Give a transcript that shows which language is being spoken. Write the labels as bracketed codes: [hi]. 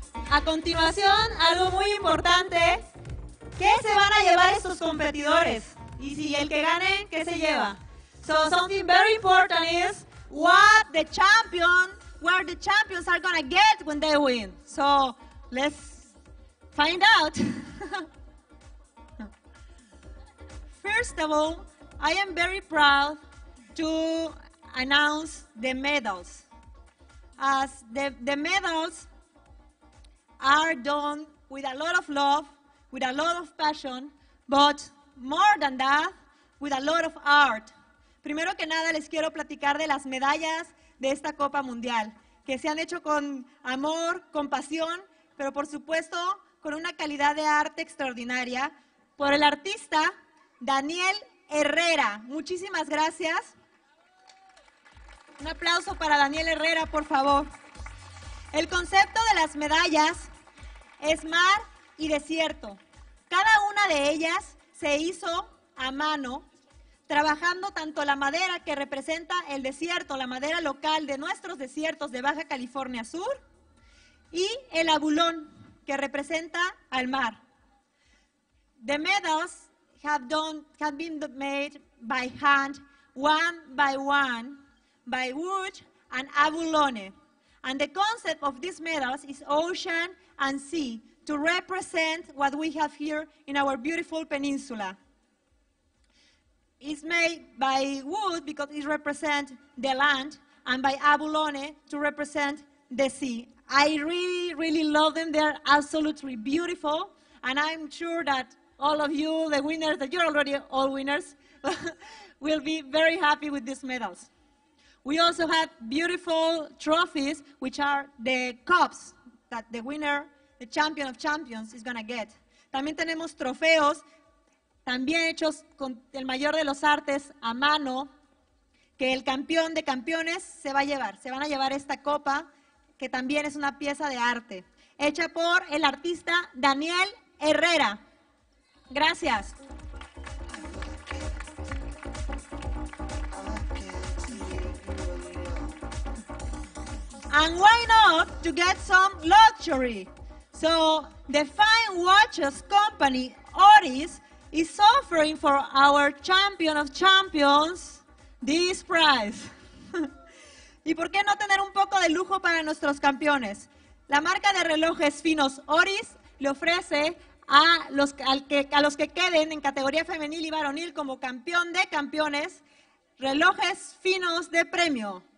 [es] A continuación, algo muy importante, ¿qué se van a llevar estos competidores? Y si el que gane, ¿qué se lleva? [en] So something very important is what the champion, where the champions are gonna get when they win. So let's find out. First of all, I am very proud to announce the medals. As the medals are done with a lot of love, with a lot of passion, but more than that, with a lot of art. [es] Primero que nada, les quiero platicar de las medallas de esta Copa Mundial, que se han hecho con amor, con pasión, pero por supuesto, con una calidad de arte extraordinaria, por el artista Daniel Herrera. Muchísimas gracias. Un aplauso para Daniel Herrera, por favor. El concepto de las medallas es mar y desierto. Cada una de ellas se hizo a mano, trabajando tanto la madera que representa el desierto, la madera local de nuestros desiertos de Baja California Sur, y el abulón que representa al mar. [en] The medals have been made by hand, one by one, by wood and abulone. And the concept of these medals is ocean and sea, to represent what we have here in our beautiful peninsula. It's made by wood because it represents the land, and by abulone to represent the sea. I really, really love them. They're absolutely beautiful. And I'm sure that all of you, the winners, that you're already all winners, will be very happy with these medals. We also have beautiful trophies, which are the cups that the winner, the champion of champions, is going to get. [es] También tenemos trofeos, también hechos con el mayor de los artes a mano, que el campeón de campeones se va a llevar. Se van a llevar esta copa, que también es una pieza de arte, hecha por el artista Daniel Herrera. Gracias. [en] And why not to get some luxury? So the fine watches company, Oris, is offering for our champion of champions this prize. [es] ¿Y por qué no tener un poco de lujo para nuestros campeones? La marca de relojes finos Oris le ofrece a los que queden en categoría femenil y varonil como campeón de campeones, relojes finos de premio.